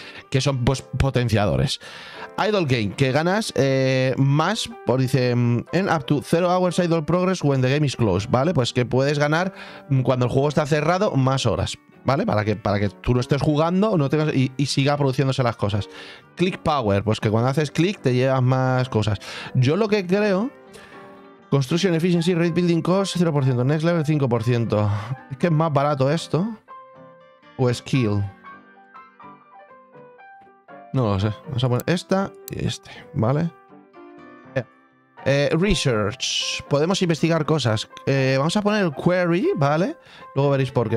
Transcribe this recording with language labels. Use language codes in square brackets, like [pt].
[es] Que son, pues, potenciadores. [en] Idle game, [es] que ganas más, por dice, en [en] up to 0 hours idle progress when the game is closed, [es] ¿vale? Pues que puedes ganar cuando el juego está cerrado más horas, ¿vale? Para que tú lo estés jugando no tengas, y siga produciéndose las cosas. Click power, pues que cuando haces click te llevas más cosas. Yo lo que creo... [en] Construction Efficiency, Rate Building Cost 0%, Next Level 5%. [es] ¿Es que es más barato esto? ¿O Skill? No lo sé. Vamos a poner esta y este, ¿vale? Research. Podemos investigar cosas. Vamos a poner Query, ¿vale? Luego veréis por qué.